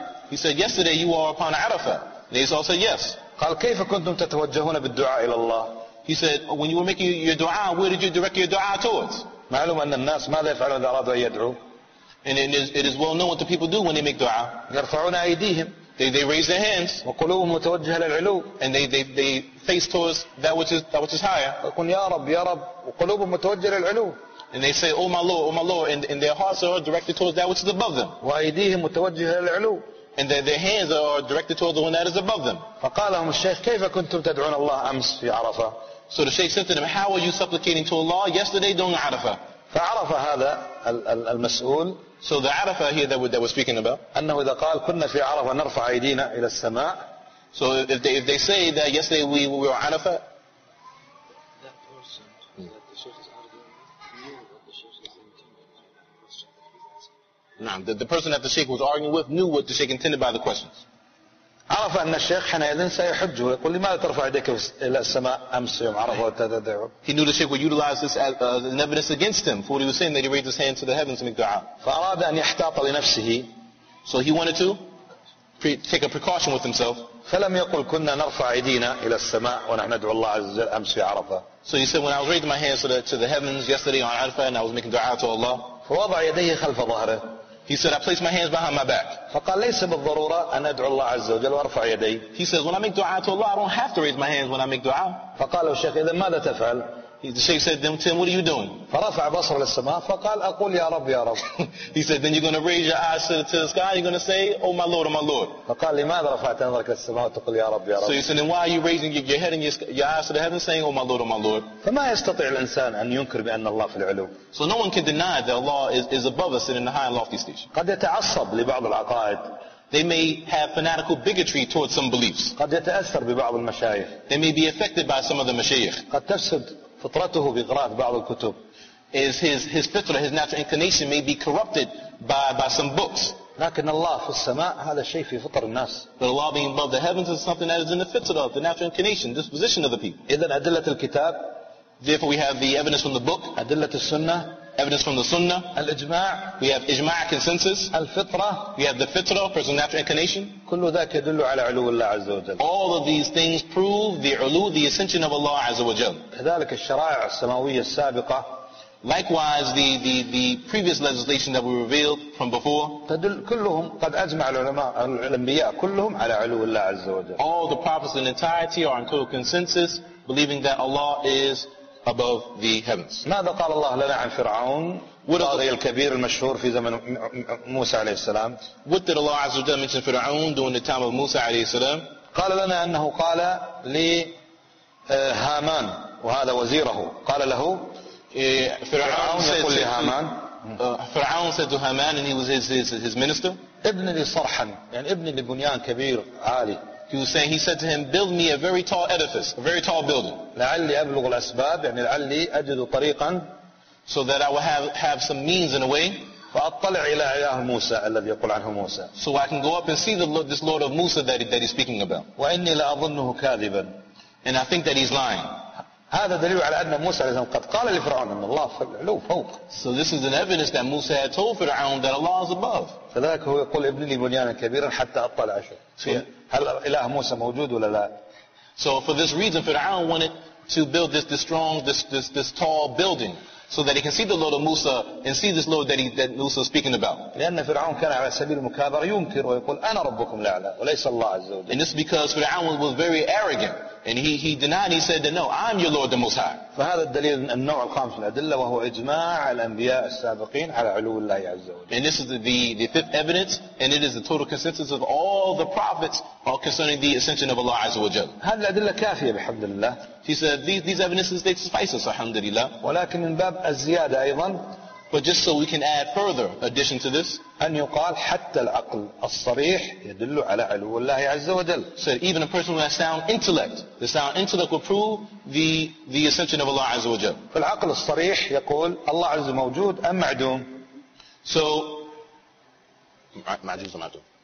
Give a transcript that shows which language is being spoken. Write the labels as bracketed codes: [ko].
[en] He said, "Yesterday you were upon Arafah." They all said, "Yes." [ar] قال كيف كنتم تتوجهون بالدعاء إلى الله? [en] He said, "When you were making your du'a, where did you direct your du'a towards?" [ar] معلوم أن الناس ماذا يفعلون إذا أرادوا أن يدعوا? [en] And it is well known what the people do when they make du'a. [ar] يرفعون أيديهم. [en] They raise their hands. [ar] وقلوبهم متوجهة للعلو. [en] And they face towards that which is higher. [ar] يقول يا رب يا رب وقلوبهم متوجهة للعلو. [en] And they say, oh my Lord, and their hearts are directed towards that which is above them. [ar] وأيديهم متوجهة للعلو. [en] And their hands are directed towards the one that is above them. [ar] فقال لهم الشيخ كيف كنتم تدعون الله أمس في عرفة? [en] So the Shaykh said to them, how were you supplicating to Allah yesterday during عرفة? [ar] فعرف هذا المسؤول. [en] So the عرفة here that we're speaking about. [ar] أنه إذا قال كنا في عرفة نرفع أيدينا إلى السماء. [en] So if they say that yesterday we were عرفة. [ar] نعم. [en] The person that the Sheikh was arguing with knew what the Sheikh intended by the questions. [ar] عرف أن الشيخ حينئذ سيحج ويقول لماذا ترفع يديك إلى السماء أمس يوم عرفة وتدعو. [en] He knew the Sheikh would utilize this as an evidence against him for what he was saying that he raised his hands to the heavens to make du'a. [ar] فأراد أن يحتاط لنفسه. [en] So he wanted to take a precaution with himself. [ar] فلم يقل كنا نرفع أيدينا إلى السماء ونحن ندعو الله عز وجل أمس في عرفة. [en] So he said, when I was raising my hands to the heavens yesterday on عرفة and I was making du'a to Allah. [ar] فوضع يديه خلف ظهره. [en] He said, I place my hands behind my back. [ar] فقال ليس بالضرورة أن أدعو الله عز وجل وأرفع يدي. [en] He says, when I make dua to Allah, I don't have to raise my hands when I make dua. [ar] فقال الشيخ إذا ماذا تفعل? [en] The Sheikh said, then Tim, what are you doing? [ar] فرفع بصره للسماء فقال أقول يا رب يا رب. [en] He said, then you're going to raise your eyes to the sky, you're going to say, oh my Lord, oh my Lord. [ar] فقال لماذا رفعت نظرك للسماء وتقول يا رب يا رب? [en] So he said, then why are you raising your head and your eyes to the heavens saying, oh my Lord, oh my Lord? [ar] فما يستطيع الإنسان أن ينكر بأن الله في العلو. [en] So no one can deny that Allah is above us and in the high and lofty station. [ar] قد يتعصب لبعض العقائد. [en] They may have fanatical bigotry towards some beliefs. [ar] قد يتأثر ببعض المشايخ. [en] They may be affected by some of the مشايخ. [ar] قد تفسد فطرته بقراءة بعض الكتب. [en] Is his fitra, his natural inclination may be corrupted by some books. [ar] لكن الله في السماء هذا شيء في فطر الناس. [en] But Allah being above the heavens is something that is in the fitra, the natural inclination, disposition of the people. [ar] إذن أدلة الكتاب. [en] Therefore we have the evidence from the book. [ar] أدلة السنة. [en] Evidence from the sunnah. [ar] الإجماع. [en] We have إجماع consensus. [ar] الفطرة. [en] We have the fitra, person's natural inclination. [ar] كل ذلك يدل على علو الله عز وجل. [en] All of these things prove the علو, the ascension of Allah [ar] عز وجل. كذلك الشرائع السماوية السابقة. [en] Likewise, the previous legislation that we revealed from before. [ar] تدل كلهم قد أجمع العلماء الأنبياء كلهم على علو الله عز وجل. [en] All the prophets in entirety are in total consensus, believing that Allah is above the heavens. [ar] ماذا قال الله لنا عن فرعون الطاغية الكبير المشهور في زمن موسى عليه السلام? [en] What did Allah [ar] عز وجل [en] mention فرعون during the time of موسى [ar] عليه السلام? قال لنا أنه قال لهامان وهذا وزيره قال له فرعون يقول لهامان [en] فرعون said to Haman and he was his minister [ar] ابن لي صرحا يعني ابن لي بنيان كبير عالي. [en] He said to him, build me a very tall edifice, a very tall building. [ar] لعلي أبلغ الأسباب يعني لعلي أجد طريقا. [en] So that I will have some means in a way. [ar] فأطلع إلى إله موسى الذي يقول عنه موسى. [en] So I can go up and see this Lord of Musa that he's speaking about. [ar] وإني لأظنه كاذبا. [en] And I think that he's lying. [ar] هذا دليل على أن موسى عليه السلام قد قال لفرعون أن الله في العلو فوق. [en] So this is an evidence that Musa had told Pharaoh that Allah is above. [ar] فذلك هو يقول ابن لي بنيانا كبيرا حتى أطلع أشوف. هل إله موسى موجود ولا لا? [en] So for this reason, Pharaoh wanted to build this strong, this tall building. so that he can see the Lord of Musa and see this Lord that Musa is speaking about. [ar] لأن فرعون كان على سبيل المكابرة ينكر ويقول أنا ربكم الأعلى وليس الله عز وجل. [en] And this is because فرعون was very arrogant and he denied. He said that no, I'm your Lord the Most High. [ar] فهذا الدليل النوع الخامس من الأدلة وهو إجماع الأنبياء السابقين على علو الله عز وجل. [en] And this is the fifth evidence and it is the total consensus of all the prophets all concerning the ascension of Allah [ar] عز وجل. هذه الأدلة كافية بحمد الله. [en] He said these evidences they suffice us [ar] الحمد لله. ولكن من باب الزيادة أيضا. [en] But just so we can add further addition to this. [ar] أن يقال حتى العقل الصريح يدل على علو الله عز وجل. [en] Said even a person who has sound intellect, the sound intellect will prove the ascension of Allah [ar] عز وجل. فالعقل الصريح يقول الله عز موجود أم معدوم. So معجوز أم معدوم.